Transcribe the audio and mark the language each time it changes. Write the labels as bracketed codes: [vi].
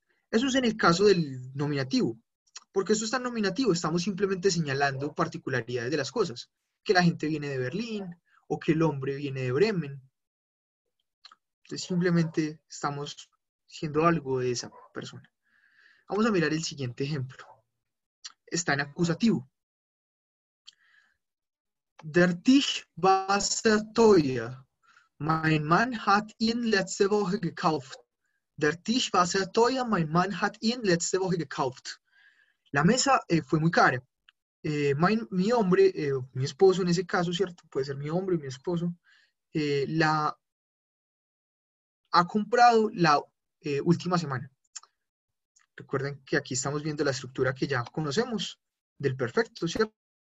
[es] Eso es en el caso del nominativo. Porque eso es tan nominativo, estamos simplemente señalando particularidades de las cosas. Que la gente viene de Berlín o que el hombre viene de Bremen. Entonces simplemente estamos siendo algo de esa persona. Vamos a mirar el siguiente ejemplo. Está en acusativo. [de] Der Tisch war sehr teuer. Mein Mann hat ihn letzte Woche gekauft. Der Tisch war sehr teuer. Mein Mann hat ihn letzte Woche gekauft. [es] La mesa fue muy cara. Mi hombre, mi esposo en ese caso, ¿cierto? Puede ser mi hombre o mi esposo. La ha comprado la última semana. Recuerden que aquí estamos viendo la estructura que ya conocemos del perfecto, ¿cierto?